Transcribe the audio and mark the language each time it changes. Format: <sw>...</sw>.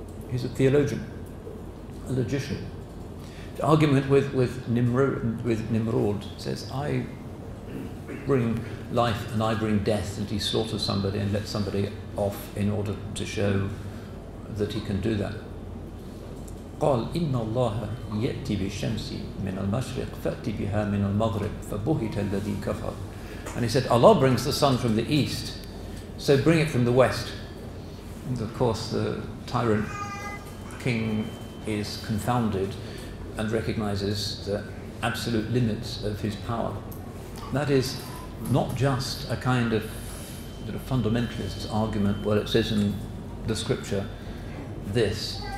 <en>He's a theologian, a logician. The argument with Nimrod says, I bring life and I bring death, and he slaughters somebody and lets somebody off in order to show that he can do that.</en> <ar>قال إن الله يأتي بالشمس من المشرق فأتي بها من المغرب فبهت الذي كفر.</ar> <en>And he said, Allah brings the sun from the east, so bring it from the west. And of course, the tyrant king is confounded and recognizes the absolute limits of his power. That is not just a kind of fundamentalist argument, well, it says in the scripture this.</en>